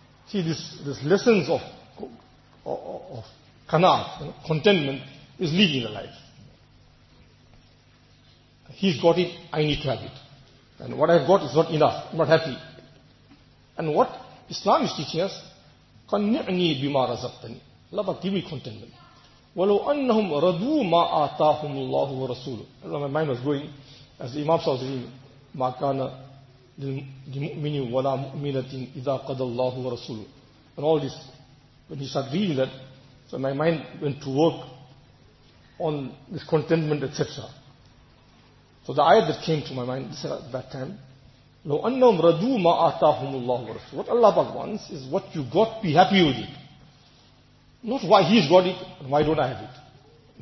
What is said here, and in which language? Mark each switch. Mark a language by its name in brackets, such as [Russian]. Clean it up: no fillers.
[English] See, this lessons of kanaat, you know, contentment, is leading the life. He's got it, I need to have it. And what I've got is not enough, I'm not happy. And what Islam is teaching us, [Arabic] قَنِّعْنِي بِمَا رَزَقْتَنِي. [English] Allah Ta'ala, give me contentment. [Arabic] وَلَوْ أَنَّهُمْ رَضُوا مَا آتَاهُمُ اللَّهُ وَرَسُولُهُ. [English] My mind was going, as the Imam says, [Arabic] مَا كَانَ لِلْمُؤْمِنِ وَلَا مُؤْمِنَةٍ إِذَا قَدَ اللَّهُ وَرَسُولُهُ. [English] And all this, when he started reading that, so my mind went to work on this contentment, etc. So the ayat that came to my mind, this at that time, [Arabic] لَوْ أَنَّهُمْ رَضُوا مَا آتَاهُمُ اللَّهُ وَرَسُولُهُ. [English] What Allah Ta'ala wants is what you got, be happy with it. Not why he's got it, and why don't I have it.